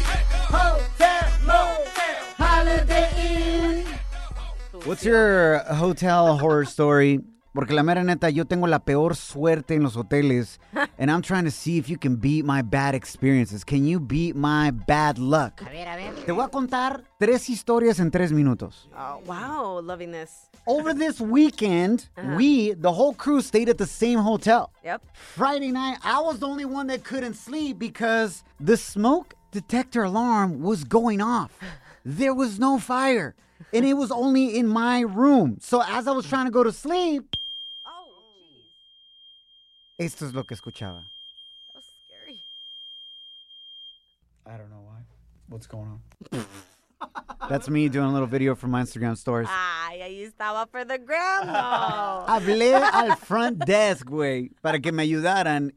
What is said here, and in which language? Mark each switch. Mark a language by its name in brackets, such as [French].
[English] Hotel, Motel, Holiday Inn. What's your hotel horror story? [Spanish] Porque la mera neta, yo tengo la peor suerte en los hoteles. [English] And I'm trying to see if you can beat my bad experiences. Can you beat my bad luck? [Spanish] A ver. Te voy a contar tres historias en tres minutos. [English] Oh, wow, loving this. Over this weekend, we, the whole crew, stayed at the same hotel. Yep. Friday night, I was the only one that couldn't sleep because the smoke detector alarm was going off. There was no fire. And it was only in my room. So as I was trying to go to sleep, [Spanish] esto es lo que escuchaba. [English] That was scary. I don't know why. What's going on? That's me doing a little video for my Instagram stories. [Spanish] Ay, ahí estaba [English] for the gram, though. [Spanish] Hablé al front desk, güey, para que me ayudaran.